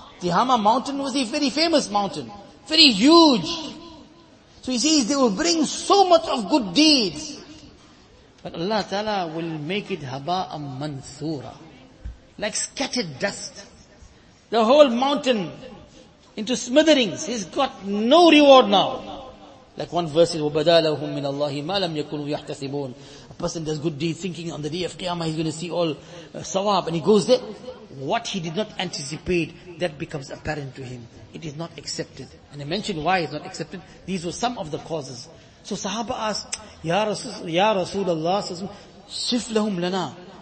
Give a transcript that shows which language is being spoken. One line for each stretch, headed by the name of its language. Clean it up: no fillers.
English: Tihama mountain was a very famous mountain, very huge. So he says they will bring so much of good deeds. But Allah Ta'ala will make it haba'a manthura, like scattered dust. The whole mountain into smitherings. He's got no reward now. Like one verse is,
Arabic: وَبَدَى لَهُمْ مِنَ اللَّهِ مَا لَمْ يَكُنُوا يَحْتَسِبُونَ.
English: A person does good deeds thinking on the day of Qiyamah he's going to see all sawab, and he goes there. What he did not anticipate, that becomes apparent to him. It is not accepted. And I mentioned why it's not accepted. These were some of the causes. So sahaba asked, Ya Rasulullah, Sif lahum lana.